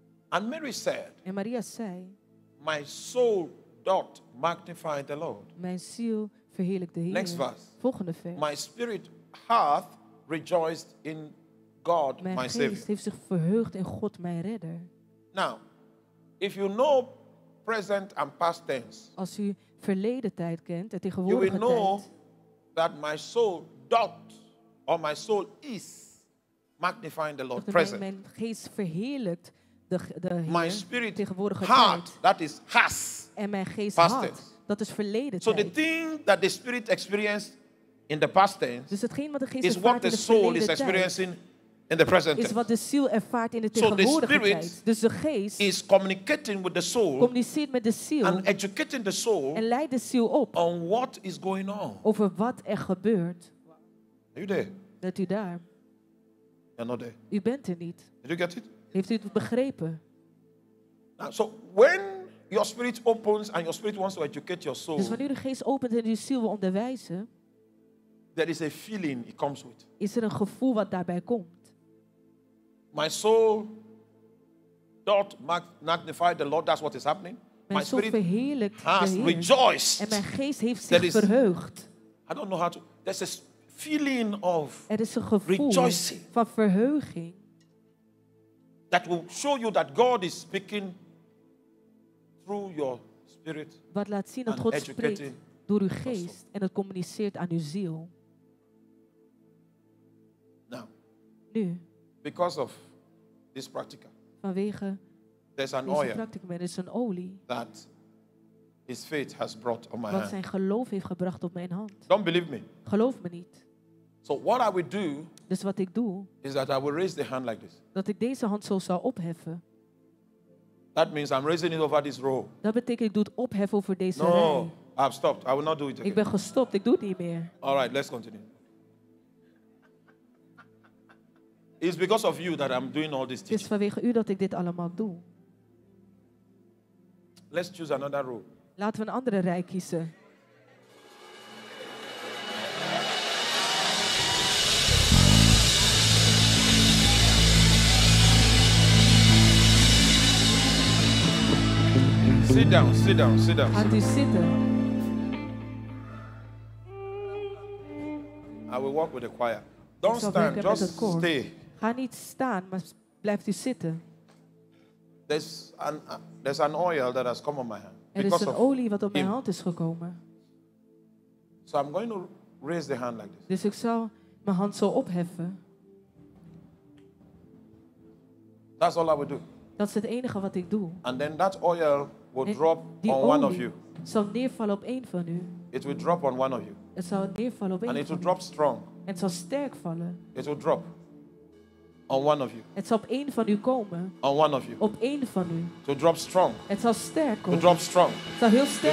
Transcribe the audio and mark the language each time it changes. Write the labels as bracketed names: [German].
[English] And Mary said, [Dutch] en Maria zei, [English] my soul doth magnify the Lord. [Dutch] Mijn ziel verheerlijkt de Heer. [English] Next verse. [Dutch] Volgende vers. [English] My spirit hath rejoiced in God, [Dutch] mijn [English] my [Dutch] geest [English] Savior. [Dutch] Heeft zich verheugd in God, mijn Redder. [English] Now, if you know present and past tense, [Dutch] als u verleden tijd kent, de tegenwoordige tijd, [English] you will know [Dutch] tijd, [English] that my soul doth, or my soul is, magnifying the Lord [Dutch] dat [English] present. [Dutch] Mijn geest verheerlijkt de Heer. [English] My spirit [Dutch] tegenwoordige [English] heart, [Dutch] tijd, [English] that is has, [Dutch] en mijn geest had, dat is verleden [English] so [Dutch] tijd. [English] So the thing that the spirit experienced in the past tense [Dutch] dus hetgeen wat de geest [English] is what the soul is experiencing in the present tense. [Dutch] Is wat de ziel ervaart in de tegenwoordige tijd. Dus de geest [English] is communicating with the soul, [Dutch] communiceert met de ziel [English] and educating the soul [Dutch] en leidt de ziel op [English] on what is going on. [Dutch] Over wat er gebeurt. [English] Are you there? [Dutch] Bent u daar? [English] You're not there. [Dutch] U bent er niet. [English] Did you get it? [Dutch] Heeft u het begrepen? [English] Now, so when your spirit opens and your spirit wants to educate your soul. [Dutch] Dus wanneer de geest opent en uw ziel wil onderwijzen. [English] There is a feeling it comes with. [Dutch] Is er een gevoel wat daarbij komt? [English] My soul doth magnify the Lord. That's what is happening. [Dutch] Mijn [English] my spirit [Dutch] verheerlijkt [English] has [Dutch] de Heer. [English] Rejoiced. [Dutch] En mijn geest heeft zich [English] there [Dutch] verheugd. [English] Is, I don't know how to. There's a feeling of [Dutch] er is een gevoel [English] rejoicing. [Dutch] Van verheuging. [English] That will show you that God is speaking. Through your spirit [Dutch] wat laat zien dat God spreekt door uw geest en het communiceert aan uw ziel. [English] Now, [Dutch] nu, [English] because of this practica, [Dutch] vanwege deze practicum, er is een olie [English] that his faith has brought on my [Dutch] wat zijn geloof heeft gebracht op mijn hand. [English] Don't believe me. [Dutch] Geloof me niet. [English] So what I will do, [Dutch] dus wat ik doe [English] is that I will raise the hand like this. [Dutch] Dat ik deze hand zo zou opheffen. [English] That means I'm raising it over this row. [Dutch] Dat betekent ik doe het opheffen over deze [English] no, [Dutch] rij. [English] No, I've stopped. I will not do it again. [Dutch] Ik ben gestopt. Ik doe het niet meer. [English] All right, let's continue. It's because of you that I'm doing all this teaching. [Dutch] Het is vanwege u dat ik dit allemaal doe. [English] Let's choose another row. [Dutch] Laten we een andere rij kiezen. [English] Sit down, sit down, sit down. [Dutch] Gaat u zitten. [English] I will walk with the choir. Don't stand, just stay. [Dutch] Ga niet staan, maar blijft u zitten. [English] There's an oil that has come on my hand. [Dutch] Er is een olie wat op mijn hand is gekomen. [English] So I'm going to raise the hand like this. [Dutch] Dus ik zal mijn hand zo opheffen. [English] That's all I will do. [Dutch] Dat is het enige wat ik doe. [English] And then that oil will drop on one of you. [Dutch] Zal neervallen op één van u. [English] It will drop on one of you. [Dutch] Het zal neervallen op één van u. [English] And it will drop strong. [Dutch] Het zal sterk vallen. [English] It will drop on one of you. [Dutch] Het zal op één van u komen. [English] On one of you. [Dutch] Op één van u. [English] To drop strong. [Dutch] Het zal sterk komen. [English] To drop strong. [Dutch] Het zal heel sterk.